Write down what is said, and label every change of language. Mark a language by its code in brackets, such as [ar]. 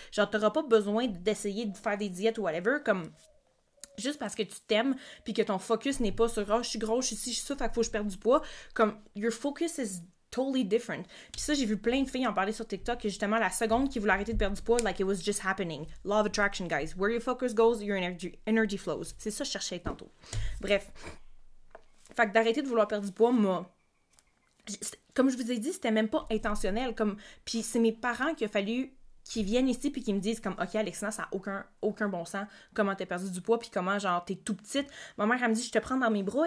[fr] Genre, t'auras pas besoin d'essayer de faire des diètes ou whatever, comme juste parce que tu t'aimes puis que ton focus n'est pas sur « oh, je suis grosse, je suis ci, je suis ça, fait qu'il faut que je perde du poids », comme « [en] your focus is totally different ». [fr] Puis ça, j'ai vu plein de filles en parler sur TikTok que justement, la seconde qui voulait arrêter de perdre du poids, [en] like, it was just happening. Law of attraction, guys. Where your focus goes, your energy flows. [fr] C'est ça que je cherchais tantôt. Bref. Fait que d'arrêter de vouloir perdre du poids, moi, comme je vous ai dit, c'était même pas intentionnel. Comme, puis c'est mes parents qui a fallu qu'ils viennent ici puis qu'ils me disent comme, ok, Alexina, ça a aucun bon sens. Comment t'as perdu du poids puis comment genre t'es tout petite. Ma mère elle me dit, je te prends dans mes bras.